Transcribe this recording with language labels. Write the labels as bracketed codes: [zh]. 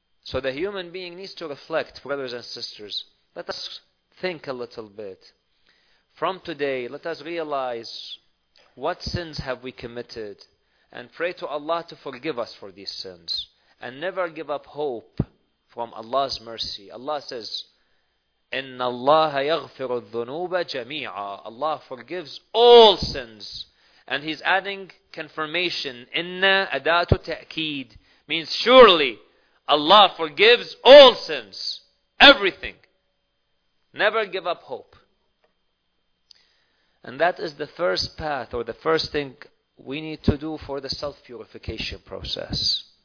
[en] So the human being needs to reflect, brothers and sisters. Let us think a little bit. From today, let us realize what sins have we committed and pray to Allah to forgive us for these sins. And never give up hope from Allah's mercy. Allah says, [ar] إِنَّ اللَّهَ يَغْفِرُ الذُّنُوبَ جَمِيعًا. [en] Allah forgives all sins. And He's adding confirmation. [ar] إِنَّ أَدَاتُ تَأْكِيدٍ [en] means surely Allah forgives all sins. Everything. Never give up hope. And that is the first path or the first thing we need to do for the self-purification process.